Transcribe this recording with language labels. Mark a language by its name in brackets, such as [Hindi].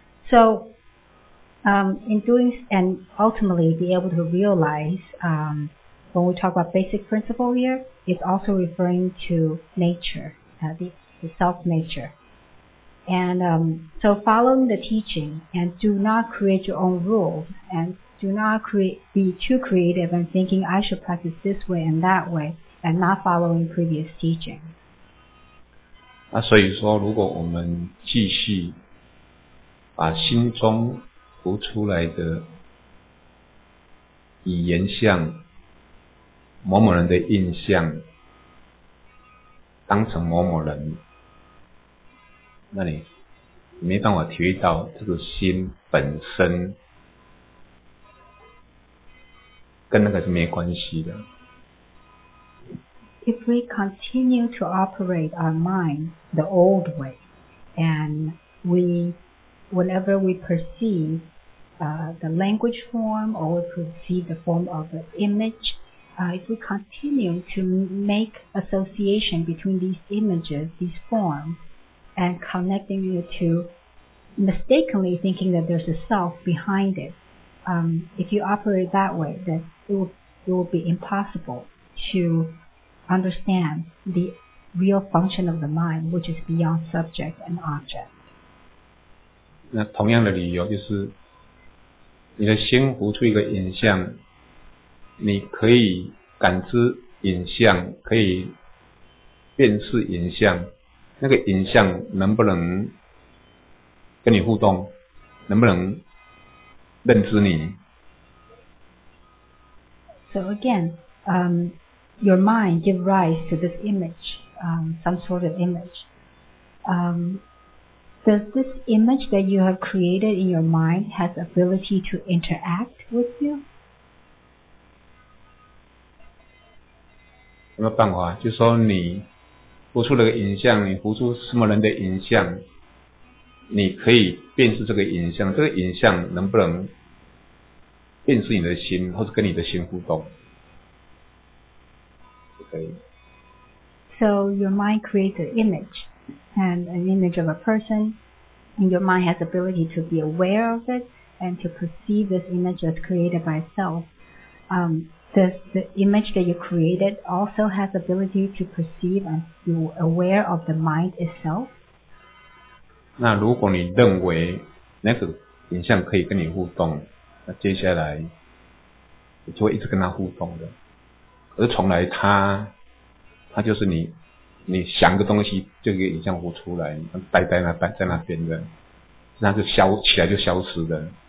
[English] So,in doing and ultimately be able to realize, when we talk about basic principle here, it's also referring to nature, the self nature. And, so following the teaching and do not create your own rules and do not be too creative and thinking I should practice this way and that way and not following previous teaching. [Chinese] 那所以说如果我们继续把心中浮出来的语言像某某人的印象当成某某人，那你没办法体会到这个心本身跟那个是没关系的。 [English] If we continue to operate our mind the old way and whenever we perceiveThe language form or we perceive the form of an image, if we continue to make association between these images, these forms, and connecting it to mistakenly thinking that there's a self behind it, if you operate that way, then it will be impossible to understand the real function of the mind, which is beyond subject and object. [Chinese] 那同样的理由就是你的心浮出一个影像，你可以感知影像，可以辨识影像，那个影像能不能跟你互动，能不能认知你？ [English] So again, your mind give rise to this image, some sort of image. Does this image that you have created in your mind has ability to interact with you? [Chinese] 有没有办法？就说你浮出了个影像，你浮出什么人的影像，你可以辨识这个影像，这个影像能不能辨识你的心，或是跟你的心互动？可以。 [English] So your mind creates an image, and an image of a person,And your mind has the ability to be aware of it and to perceive this image as created by itself. Does the image that you created also has the ability to perceive and be aware of the mind itself? [Chinese] 那如果你认为那个影像可以跟你互动，那接下来你就会一直跟它互动的。可是从来它就是你想个东西，就一个影像浮出来，呆在那边的，那就消起来就消失的。